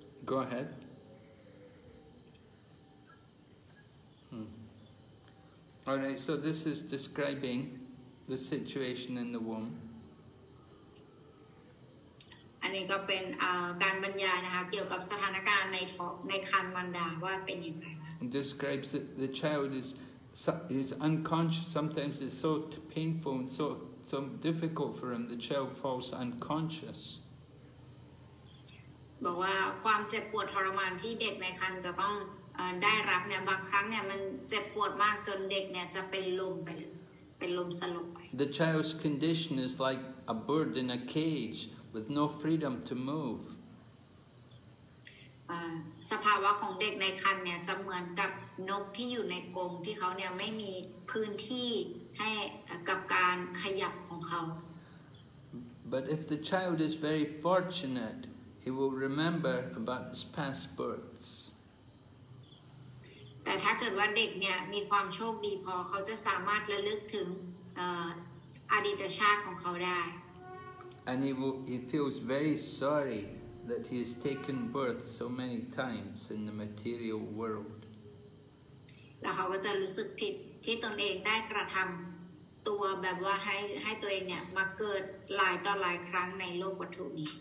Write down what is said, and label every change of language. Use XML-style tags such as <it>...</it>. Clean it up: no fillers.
<en>Go ahead All right so this is describing the situation in the womb.</en> <th>อันนี้ก็เป็นการบรรยายนะคะเกี่ยวกับสถานการณ์ในครรภ์มารดาว่าเป็นอย่างไรคะ</th> <en>It describes that the child is unconscious. Sometimes it's so painful and so difficult for him. The child falls unconscious.</en> <th>บอกว่าความเจ็บปวดทรมานที่เด็กในครรภ์จะต้องได้รับเนี่ยบางครั้งเนี่ยมันเจ็บปวดมากจนเด็กเนี่ยจะเป็นลมสลบไป</th> <en>The child's condition is like a bird in a cage. With no freedom to move.</en> <th>สภาวะของเด็กในครรภ์เนี่ยจะเหมือนกับนกที่อยู่ในกรงที่เขาเนี่ยไม่มีพื้นที่ให้กับการขยับของเขา</th> <en>But if the child is very fortunate, he will remember about his past births.</en> <th>แต่ถ้าเกิดว่าเด็กเนี่ยมีความโชคดีพอเขาจะสามารถระลึกถึงอดีตชาติของเขาได้</th> <en>And he feels very sorry that he has taken birth so many times in the material world.</en> <th>แล้วเขาก็จะรู้สึกผิดที่ตนเองได้กระทำตัวแบบว่าให้ตัวเองเนี่ยมาเกิดหลายต่อหลายครั้งในโลกวัตถุนี</th>